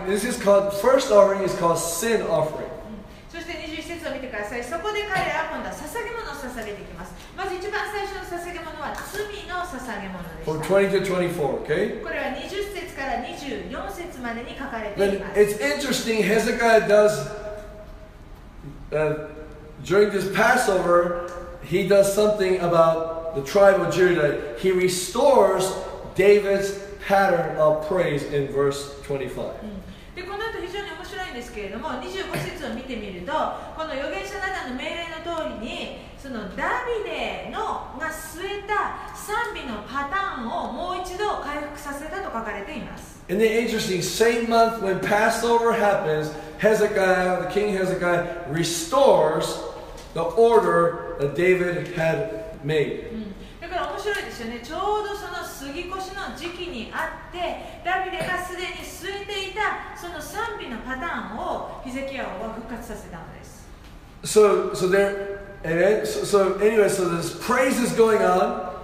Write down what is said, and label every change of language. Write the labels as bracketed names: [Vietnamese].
[English] This is called, first offering is called sin offering. [Japanese] そして21節を見てください。そこで彼らは今度は捧げ物を捧げていきます。まず一番最初の捧げ物は罪の捧げ物です。 [English] From 20 to 24, okay? [Japanese] これは20節から24節までに書かれています。 [English] Then it's interesting, Hezekiah does, during this Passover, he does something about the tribe of Judah, he restores David's pattern of praise in verse 25. [Japanese] で、この後非常に面白いんですけれども、25節を見てみると、この預言者ナダンの命令の通りに、そのダビデのが据えた賛美のパターンをもう一度回復させたと書かれています。 [English] And then interesting, same month when Passover happens, Hezekiah, the king Hezekiah, restores the order that David had made. [Japanese] だから面白いですよね。ちょうどその過ぎ越しの時期にあって、ダビデがすでに据えていたその賛美のパターンをヒゼキヤ王は復活させたのです。 [English] So there, And then, so anyway, so there's praises going on.